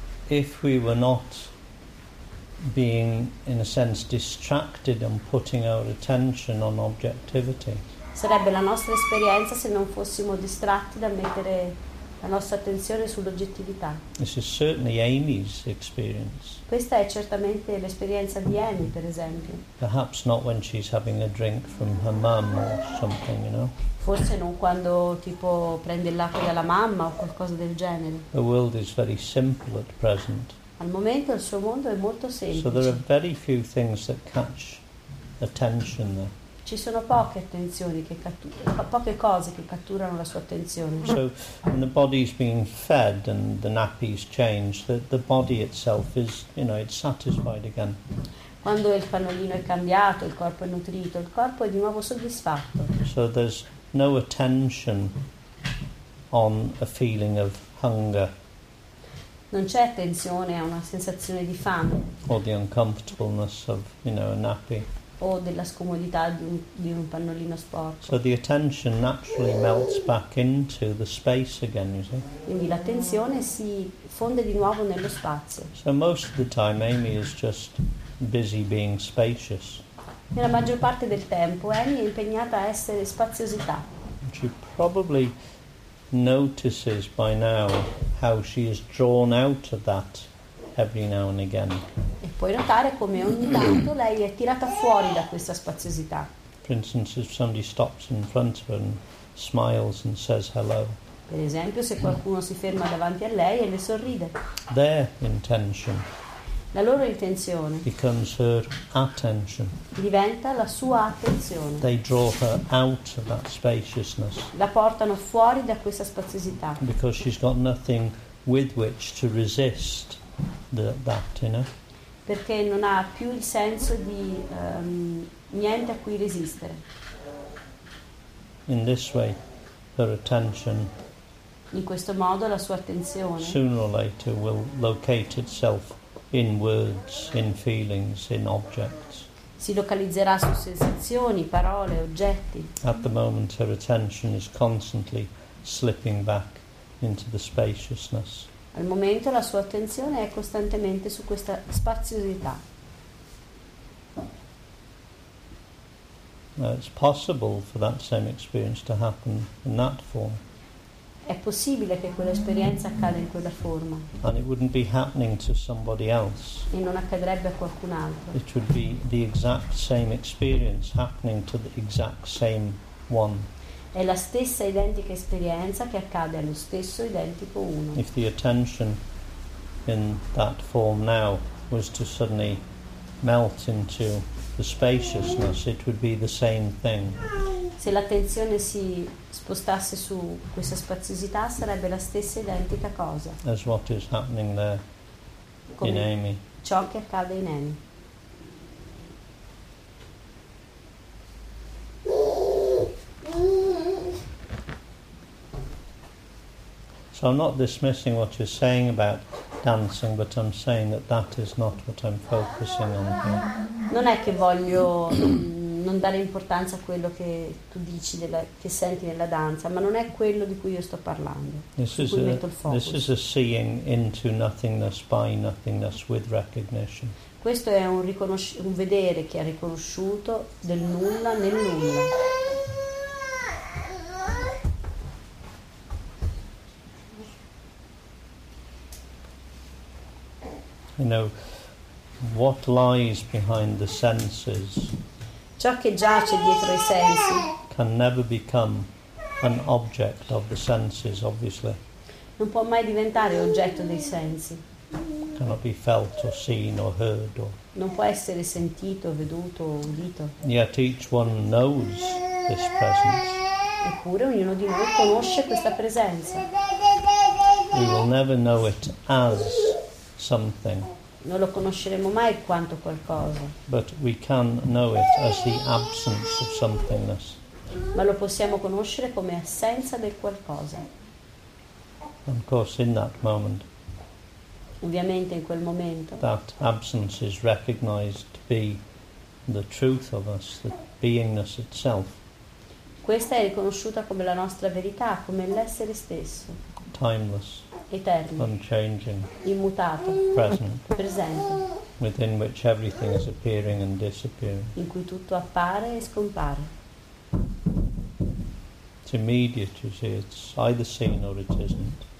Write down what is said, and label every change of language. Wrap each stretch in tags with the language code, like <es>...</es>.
<en>If we were not being, in a sense, distracted and putting our attention on objectivity.</en> <it>Sarebbe la nostra esperienza se non fossimo distratti da mettere la nostra attenzione sull'oggettività.</it> <en>This is certainly Amy's experience.</en> <it>Questa è certamente l'esperienza di Amy, per esempio.</it> <en>Perhaps not when she's having a drink from her mum or something, you know.</en> <it>Forse non quando tipo prende il latte dalla mamma o qualcosa del genere.</it> <en>The world is very simple at present.</en> <it>Al momento il suo mondo è molto semplice.</it> <en>So there are very few things that catch attention there.</en> <it>Ci sono poche attenzioni che poche cose che catturano la sua attenzione.</it> <en>So when the body is being fed and the nappies change, the body itself is, you know, it's satisfied again.</en> <it>Quando il pannolino è cambiato, il corpo è nutrito, il corpo è di nuovo soddisfatto.</it> <en>So there's no attention on a feeling of hunger.</en> <it>Non c'è attenzione a una sensazione di fame.</it> <en>Or the uncomfortableness of, you know, a nappy.</en> <it>O della scomodità di un pannolino sporco.</it> <en>So the attention naturally melts back into the space again, you see.</en> <it>Quindi l'attenzione si fonde di nuovo nello spazio.</it> <en>So most of the time Amy is just busy being spacious.</en> <it>Nella maggior parte del tempo Amy è impegnata a essere spaziosità.</it> <en>She probably notices by now how she is drawn out of that every now and again.</en> <it>E puoi notare come ogni tanto lei è tirata fuori da questa spaziosità.</it> <en>For instance, if somebody stops in front of her and smiles and says hello.</en> <it>Per esempio, se qualcuno si ferma davanti a lei e le sorride.</it> <en>Their intention.</en> <it>La loro intenzione.</it> <en>Becomes her attention.</en> <it>Diventa la sua attenzione.</it> <en>They draw her out of that spaciousness.</en> <it>La portano fuori da questa spaziosità.</it> <en>Because she's got nothing with which to resist that, you know.</en> <it>Perché non ha più il senso di niente a cui resistere.</it> <en>In this way, her attention.</en> <it>In questo modo la sua attenzione.</it> <en>Sooner or later, will locate itself in words, in feelings, in objects.</en> <it>Si localizzerà su sensazioni, parole, oggetti.</it> <en>At the moment, her attention is constantly slipping back into the spaciousness.</en> <it>Al momento la sua attenzione è costantemente su questa spaziosità.</it> <en>Now it's possible for that same experience to happen in that form.</en> <it>È possibile che quell'esperienza accada in quella forma.</it> <en>And it wouldn't be happening to somebody else.</en> <it>E non accadrebbe a qualcun altro.</it> <en>It would be the exact same experience happening to the exact same one.</en> <it>È la stessa identica esperienza che accade allo stesso identico uno.</it> <en>If the attention in that form now was to suddenly melt into the spaciousness, it would be the same thing.</en> <it>Se l'attenzione si spostasse su questa spaziosità, sarebbe la stessa identica cosa.</it> <en>As what is happening there</en> <it>come</it> <en>in Amy.</en> <it>Ciò che accade in Amy.</it> <en>So I'm not dismissing what you're saying about dancing, but I'm saying that that is not what I'm focusing on here.</en> <it>Non è che voglio non dare importanza a quello che tu dici, che senti nella danza, ma non è quello di cui io sto parlando.</it> <en>This is a seeing into nothingness by nothingness with recognition.</en> <it>Questo è un vedere che ha riconosciuto del nulla nel nulla.</it> <en>You know, what lies behind the senses,</en> <it>ciò che giace dietro i sensi,</it> <en>can never become an object of the senses, obviously.</en> <it>Non può mai diventare oggetto dei sensi.</it> <en>Cannot be felt or seen or heard or.</en> <it>Non può essere sentito, veduto, udito.</it> <en>Yet each one knows this presence.</en> <it>Eppure ognuno di noi conosce questa presenza.</it> <en>We will never know it as something.</en> <it>Non lo conosceremo mai quanto qualcosa.</it> <en>But we can know it as the absence of somethingness.</en> <it>Ma lo possiamo conoscere come assenza del qualcosa.</it> <en>And of course, in that moment.</en> <it>Ovviamente in quel momento.</it> <en>That absence is recognized to be the truth of us, the beingness itself.</en> <it>Questa è riconosciuta come la nostra verità, come l'essere stesso.</it> <en>Timeless.</en> <it>Eterno,</it> <en>unchanging,</en> <it>immutato, presente,</it> <en>within which everything is appearing and disappearing,</en> <it>in cui tutto appare e scompare.</it> <en>It's immediate, you see, it's either seen or it isn't.</en>